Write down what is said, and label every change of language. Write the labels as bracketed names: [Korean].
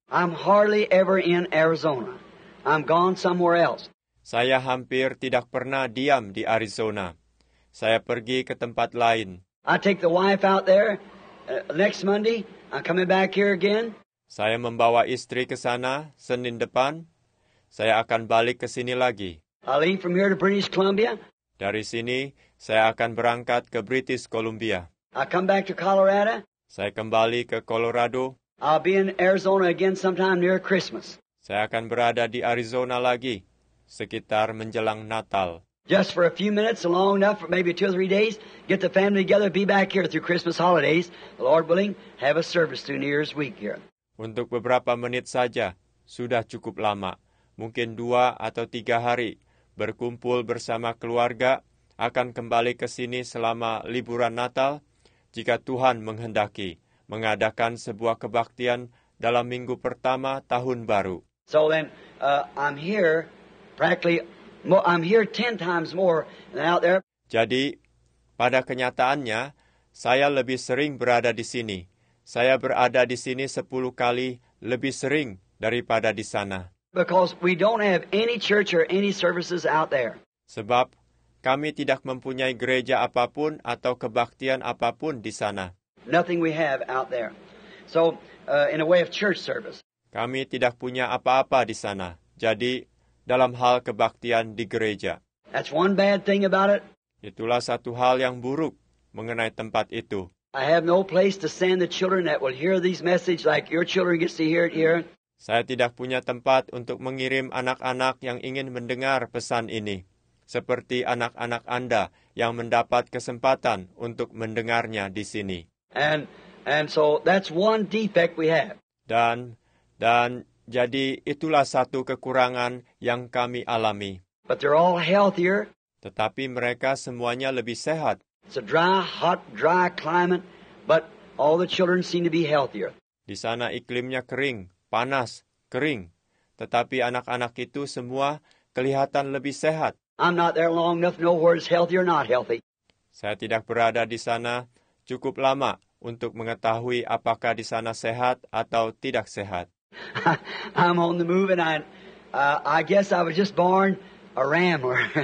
[English] I'm hardly ever in Arizona. I'm gone somewhere else. [Indonesian] Saya hampir tidak pernah diam di Arizona. Saya pergi ke tempat lain. [English] I take the wife out there next Monday. I'm coming back here again. [Indonesian] Saya membawa istri ke sana Senin depan. Saya akan balik ke sini lagi. [English] I'll leave from here to British Columbia. [Indonesian] Dari sini, saya akan berangkat ke British Columbia. [English] I'll come back to Colorado. [Indonesian] Saya kembali ke Colorado. [English] I'll be in Arizona again sometime near Christmas. [Indonesian] Saya akan berada di Arizona lagi sekitar menjelang Natal. [English] Just for a few minutes, long enough for maybe 2 or 3 days, get the family together, be back here through Christmas holidays. The Lord willing, have a service through New Year's week here. [Indonesian] Untuk beberapa menit saja, sudah cukup lama. Mungkin 2 atau 3 hari berkumpul bersama keluarga, akan kembali ke sini selama liburan Natal, jika Tuhan menghendaki mengadakan sebuah kebaktian dalam minggu pertama tahun baru. [English] So then, I'm here practically. I'm here 10 times more than out there. [Indonesian] Jadi, pada kenyataannya, saya lebih sering berada di sini. Saya berada di sini 10 kali lebih sering daripada di sana. [English] Because we don't have any church or any services out there. [Indonesian] Sebab kami tidak mempunyai gereja apapun atau kebaktian apapun di sana. [English] Nothing we have out there. So, in a way of church service. [Indonesian] Kami tidak punya apa-apa di sana. Jadi, dalam hal kebaktian di gereja. [English] That's one bad thing about it. [Indonesian] Itulah satu hal yang buruk mengenai tempat itu. [English] I have no place to send the children that will hear these messages like your children get to hear it here. [Indonesian] Saya tidak punya tempat untuk mengirim anak-anak yang ingin mendengar pesan ini, seperti anak-anak Anda yang mendapat kesempatan untuk mendengarnya di sini. [English] And so that's one defect we have. [Indonesian] Dan jadi itulah satu kekurangan yang kami alami. [English] But they're all healthier. [Indonesian] Tetapi mereka semuanya lebih sehat. [English] It's a dry, hot, dry climate, but all the children seem to be healthier. [Indonesian] Di sana iklimnya kering, panas, kering. Tetapi anak-anak itu semua kelihatan lebih sehat. [English] I'm not there long enough to know whether it's healthy or not healthy. [Indonesian] Saya tidak berada di sana cukup lama untuk mengetahui apakah di sana sehat atau tidak sehat. [English] I'm on the move and I guess I was just born a rambler.